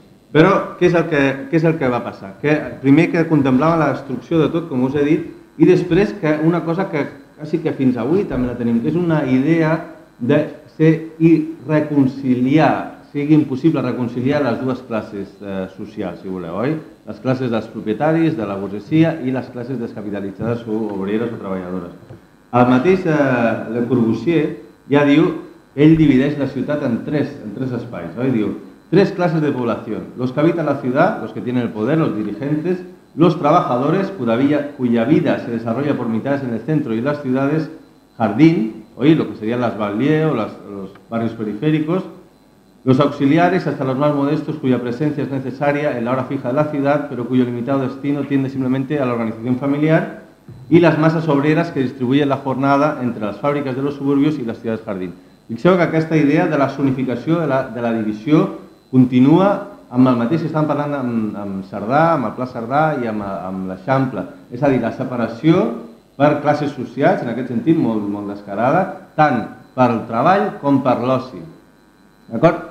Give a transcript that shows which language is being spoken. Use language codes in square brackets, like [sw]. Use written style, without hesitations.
[ca] Però què és el que va passar? Que primer que contemplava la destrucció de tot, com us he dit, i després que una cosa que quasi que fins avui també la tenim, que és una idea de ser irreconciliar, sigui impossible reconciliar les dues classes socials, si voleu, oi? Les classes dels propietaris, de la burgesia, i les classes descapitalitzades o obreres o treballadores. El mateix Le Corbusier ja diu, ell divideix la ciutat en tres espais, oi? Diu, tres classes de població, [es] los que habitan la ciudad, los que tienen el poder, los dirigentes, los trabajadores, cuya vida se desarrolla por mitades en el centro y las ciudades, jardín, oye, lo que serían las banlieues o los barrios periféricos, los auxiliares, hasta los más modestos, cuya presencia es necesaria en la hora fija de la ciudad, pero cuyo limitado destino tiende simplemente a la organización familiar, y las masas obreras que distribuyen la jornada entre las fábricas de los suburbios y las ciudades jardín. [ca] Fixeu que aquesta idea de la zonificació, de la divisió, continua amb el mateix que estan parlant amb Cerdà, amb el Pla Cerdà i amb l'Eixample. És a dir, la separació per classes socials, en aquest sentit molt, molt descarada, tant per al treball com per l'oci. D'acord?